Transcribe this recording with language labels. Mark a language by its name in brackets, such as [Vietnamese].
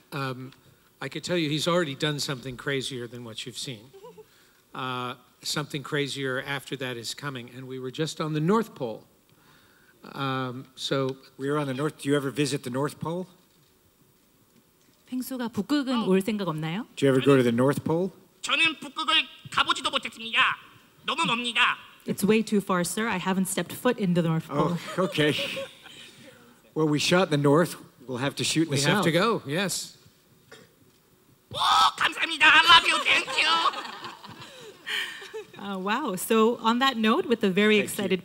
[English] I could tell you he's already done something crazier than what you've seen. Something crazier after that is coming, and we were just on the North Pole. So we were on the North. Do you ever visit the North Pole? [Korean] 펭수가 북극은 올 생각 없나요? [English] Do you ever go to the North Pole? [Korean] 저는 북극을 가보지도 못했습니다. 너무 멉니다. [English] It's way too far, sir. I haven't stepped foot in the North Pole. Oh, okay. Well, we shot the North. We'll have to shoot the we South. We have to go. Yes. [Korean] Oh, 감사합니다. [English] I love you. Thank you. Wow. So on that note, with a very thank excited you.